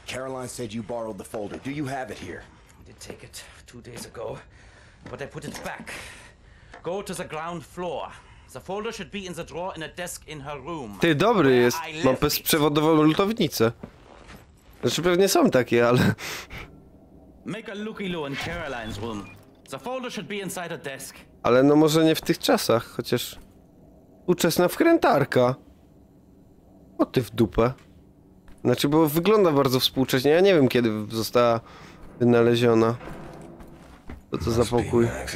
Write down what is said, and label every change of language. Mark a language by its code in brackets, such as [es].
[en] Caroline said you borrowed the folder. Do you have it here? I did take it 2 days ago. But I put it back. Go to the ground floor. The folder should be in the drawer in a desk in her room. [pl] Ty, dobry jest. Mam bezprzewodową lutownicę. Znaczy pewnie są takie, ale... [en] Make a looky-loo in Caroline's room. The folder should be inside a desk. [pl] Ale no może nie w tych czasach, chociaż... Uczesna wkrętarka. O ty w dupę. Znaczy, bo wygląda bardzo współcześnie. Ja nie wiem, kiedy została wynaleziona. Co to za pokój?